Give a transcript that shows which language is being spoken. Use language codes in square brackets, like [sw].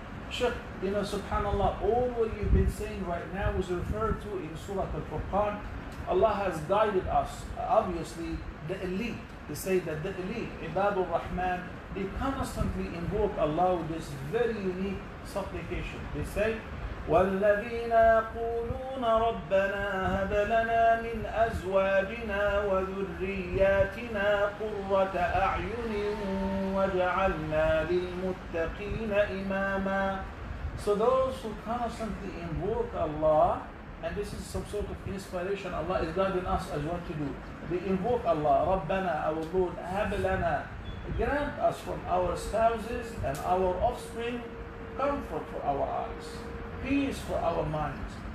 [en] Sheikh, you know, subhanAllah, all what you've been saying right now was referred to in Surah Al-Furqan. Allah has guided us, obviously, the elite. They say that the elite, Ibadur Rahman, they constantly invoke Allah with this very unique supplication. They say, [ar] والذين يقولون ربنا هب لنا من أزواجنا وذرياتنا قرة أعين وجعلنا للمتقين إماما. [en] So those who constantly invoke Allah, and this is some sort of inspiration, Allah is guiding us as what to do. They invoke Allah, [ar] ربنا [en] our Lord, [ar] هب لنا, [en] grant us from our spouses and our offspring comfort for our eyes, peace for our minds.